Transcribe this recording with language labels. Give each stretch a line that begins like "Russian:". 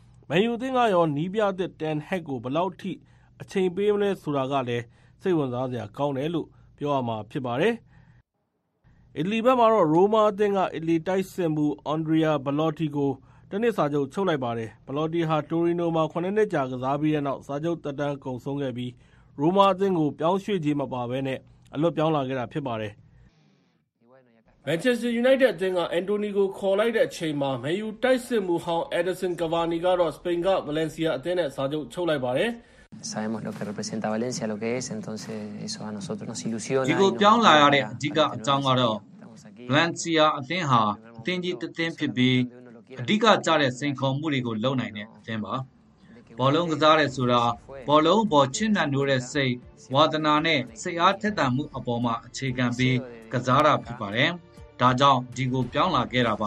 Burmese: မန်ယူအသင်းကရောနီးပြားတစ်တန်ဟက်ကိုဘယ်လောက်ထိအချိန်ပေးမလဲဆိုတာကလည်းစိတ်ဝင်စားစရာကောင်းတယ်လို့ပြောရမှာဖြစ်ပါတယ်။အီတလီဘက်မှာတော့ရိုမာအသင်းကအီတလီတိုက်စင်မှုအန်ဒရီယာဘလော့တီကိုတနစ်စာချုပ်ချုပ်လိုက်ပါတယ်။ဘလော့တီဟာတိုရီနိုမှာ9နှစ်ကြာကစားပြီးတဲ့နောက်စာချုပ်တက်တန်းကုန်ဆုံးခဲ့ပြီးရိုမာအသင်းကိုပြောင်းရွှေ့ခြင်းမပါဘဲနဲ့အလွတ်ပြောင်းလာခဲ့တာဖြစ်ပါတယ် ။မန်ချက်စတာယူနိုက်တက်အသင်းကအန်တိုနီကိုခေါ်လိုက်တဲ့အချိန်မှာမန်ယူတိုက်စင်မှုဟောင်းအက်ဒါဆန်ကာဗာနီကတော့စပိန်ကဗလန်စီယာအသင်းနဲ့စာချုပ်ချုပ်လိုက်ပါတယ်။
Spanish: sabemos lo que representa Valencia lo que es entonces eso a nosotros nos ilusiona digo
Burmese: ပြောင်းလာရတဲ့အဓိကအကြောင်းကတော့ Valencia အသင်းဟာအသင်းကြီးတစ်သင်းဖြစ်ပြီးအဓိကကြတဲ့စိန်ခေါ်မှုတွေကိုလုပ်နိုင်တဲ့အသင်းပါဘောလုံးကစားတဲ့ဆိုတာဘောလုံးပေါ်ချစ်နှံ့နိုးတဲ့စိတ်ဝါသနာနဲ့စိတ်အားထက်သန်မှုအပေါ်မှာအခြေခံပြီးကစားတာဖြစ်ပါတယ်ဒါကြောင့်ဒီကိုပြောင်းလာခဲ့တာပ